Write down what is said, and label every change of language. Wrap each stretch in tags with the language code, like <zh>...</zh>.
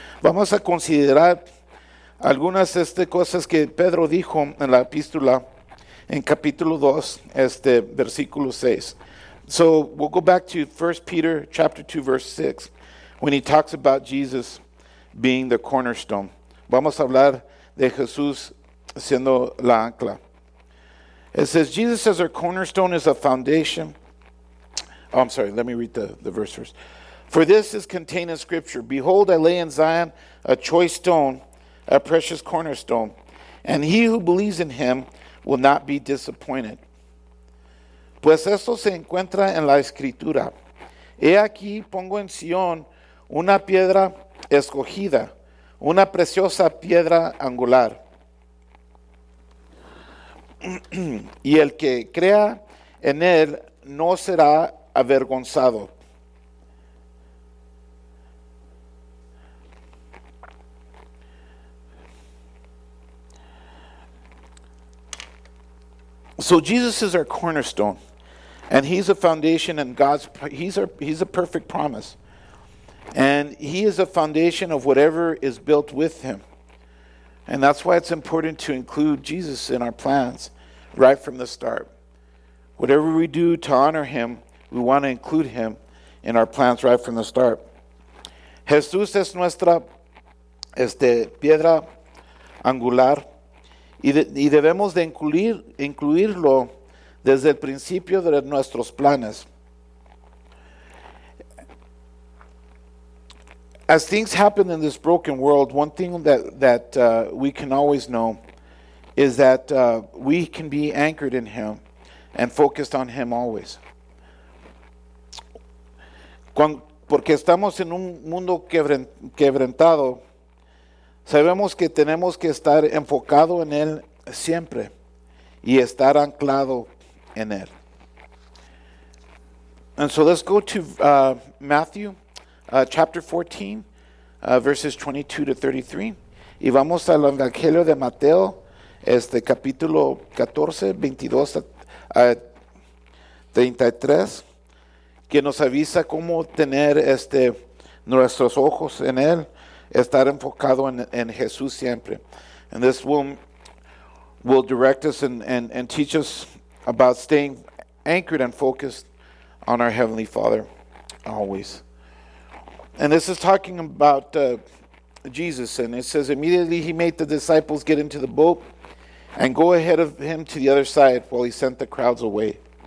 <es>Vamos a considerar algunas cosas que Pedro dijo en la epístola en capítulo 2, versículo 6.</es> <en>So we'll go back to 1 Peter chapter 2, verse 6, when he talks about Jesus being the cornerstone.</en> <es>Vamos a hablar de Jesús siendo la ancla.</es> <en>It says, Jesus as our cornerstone is a foundation. Oh, I'm sorry, let me read the verse first. For this is contained in Scripture. Behold, I lay in Zion a choice stone, a precious cornerstone, and he who believes in him will not be disappointed.</en> <es>Pues esto se encuentra en la Escritura. He aquí, pongo en Sion una piedra escogida, una preciosa piedra angular. Y el que crea en él no será avergonzado.</es> <en>So Jesus is our cornerstone, and he's a foundation, and God's he's a perfect promise, and he is a foundation of whatever is built with him. And that's why it's important to include Jesus in our plans right from the start. Whatever we do to honor him, we want to include him in our plans right from the start.</en> <es>Jesús es nuestra piedra angular, y debemos de incluirlo desde el principio de nuestros planes.</es> <en>As things happen in this broken world, one thing that we can always know is that we can be anchored in him and focused on him always.</en> <es>Porque estamos en un mundo quebrantado, sabemos que tenemos que estar enfocado en él siempre y estar anclado en él.</es> <en>And so let's go to Matthew chapter 14. Verses 22 to 33.</en> <es>Y vamos al Evangelio de Mateo, capítulo 14, 22 a 33, que nos avisa cómo tener nuestros ojos en él, estar enfocado en Jesús siempre.</es> <en>And this will direct us and teach us about staying anchored and focused on our Heavenly Father always. And this is talking about Jesus. And it says, immediately he made the disciples get into the boat and go ahead of him to the other side while he sent the crowds away.</en>